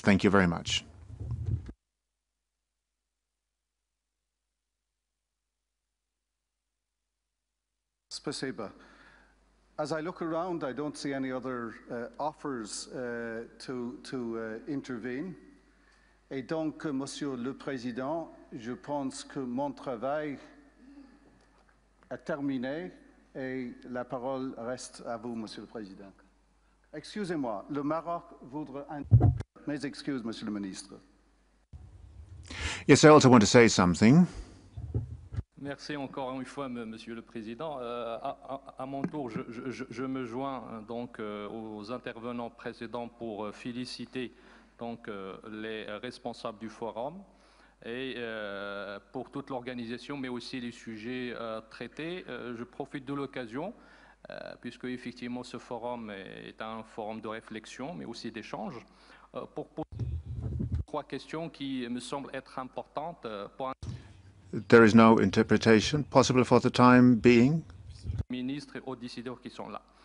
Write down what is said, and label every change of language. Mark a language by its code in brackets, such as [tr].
[en] Thank you very much. [ru] Спасибо. [en] As I look around, I don't see any other offers to intervene. [fr] Et donc, Monsieur le Président, je pense que mon travail a terminé et la parole reste à vous, Monsieur le Président. Excusez-moi, le Maroc voudrait mes excuses, Monsieur le Ministre. [en] Yes, I also want to say something. [fr] Merci encore une fois, Monsieur le Président. À mon tour, je me joins donc aux intervenants précédents pour féliciter donc les responsables du forum et pour toute l'organisation, mais aussi les sujets traités. Je profite de l'occasion, puisque effectivement ce forum est un forum de réflexion, mais aussi d'échange, pour poser trois questions qui me semblent être importantes pour un. [en] There is no interpretation possible for the time being. [fr] Ministre et aux décideurs qui sont là.